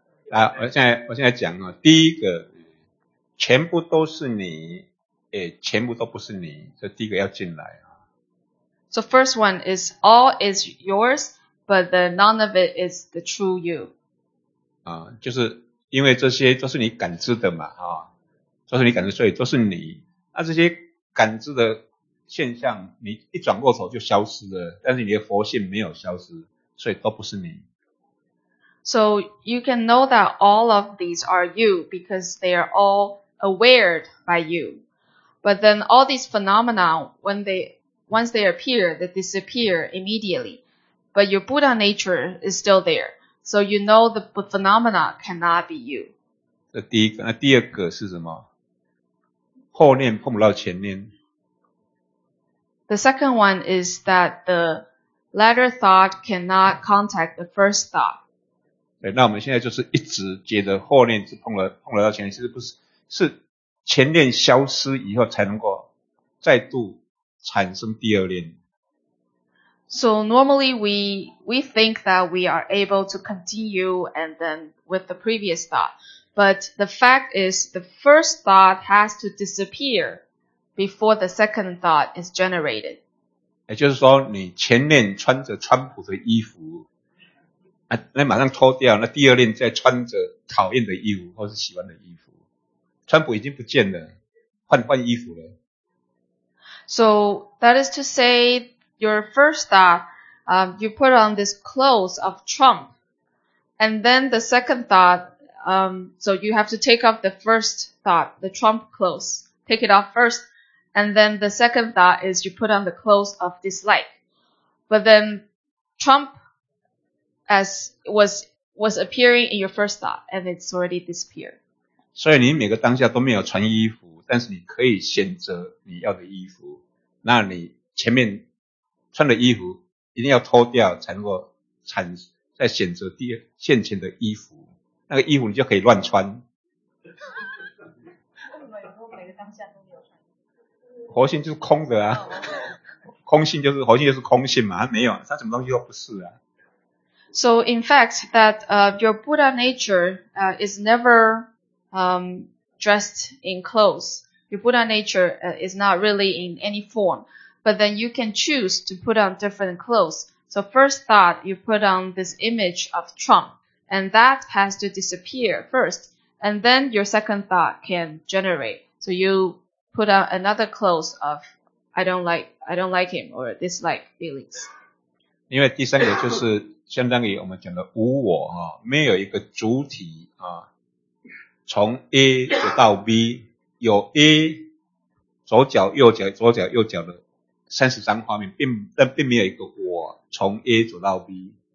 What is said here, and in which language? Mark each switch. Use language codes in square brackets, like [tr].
[zh] 啊、我现在讲哦，第一个，全部都是你，全部都不是你，这第一个要进来啊。 [en] So first one is all is yours, but the none of it is the true you. [zh] 啊，就是因为这些都是你感知的嘛，啊，都是你感知，所以都是你。那这些感知的现象，你一转过头就消失了，但是你的佛性没有消失，所以都不是你。 [en] So you can know that all of these are you because they are all aware by you. But then all these phenomena, once they appear, they disappear immediately. But your Buddha nature is still there. So you know the phenomena cannot be you. [zh] 这第一个，那第二个是什么？后念碰不到前念。 [en] The second one is that the latter thought cannot contact the first thought. [zh] 对，那我们现在就是一直接着后念，只碰了到前念，是不是？是前念消失以后才能够再度产生第二念。 [en] So normally we think that we are able to continue and then with the previous thought. But the fact is the first thought has to disappear before the second thought is generated. [zh] 也就是说你前念穿着川普的衣服那马上脱掉那第二念再穿着讨厌的衣服或是喜欢的衣服。川普已经不见了换衣服了。 [en] So that is to say,your first thought, you put on this clothes of Trump. And then the second thought, so you have to take off the first thought, the Trump clothes. Take it off first. And then the second thought is you put on the clothes of dislike. But then Trump was appearing in your first thought, and it's already disappeared. [zh] 所以你每个当下都没有穿衣服，但是你可以选择你要的衣服。那你前面穿的衣服一定要脱掉才能够再选择第二现前的衣服。那个衣服你就可以乱穿。为什么有时候每个当下都没有穿？活性就是空的啊。空性就是活性就是空性嘛，没有，它什么东西都不是啊。 [en] So in fact, that your Buddha nature is never dressed in clothes. Your Buddha nature is not really in any form. But then you can choose to put on different clothes. So first thought, you put on this image of Trump. And that has to disappear first. And then your second thought can generate. So you put on another clothes of I don't like him or dislike feelings. [zh] 因为第三个就是相当于我们讲的无我，没有一个主体，从 A 到 B, 有 A, 左脚右脚左脚右脚的30张画面但并没有一个我从 A 走到 B.